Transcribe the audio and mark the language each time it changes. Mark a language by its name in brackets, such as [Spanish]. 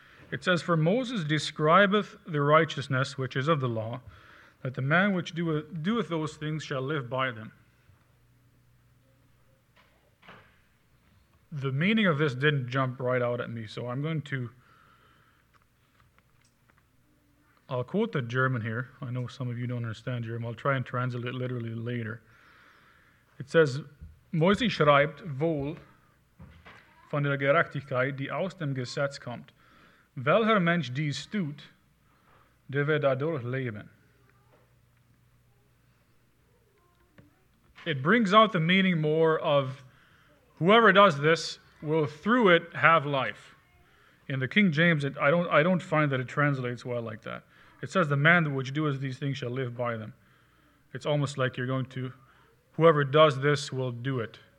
[English] It says, "For Moses describeth the righteousness which is of the law, that the man which doeth those things shall live by them." The meaning of this didn't jump right out at me, so I'll quote the German here. I know some of you don't understand German. I'll try and translate it literally later. [German] It says, "Moise schreibt wohl von der Gerechtigkeit, die aus dem Gesetz kommt. Welcher Mensch dies tut, der wird dadurch leben." [English] It brings out the meaning more of whoever does this will through it have life. In the King James, I don't find that it translates well like that. It says, "The man which doeth these things shall live by them." It's almost like you're going to, whoever does this will do it.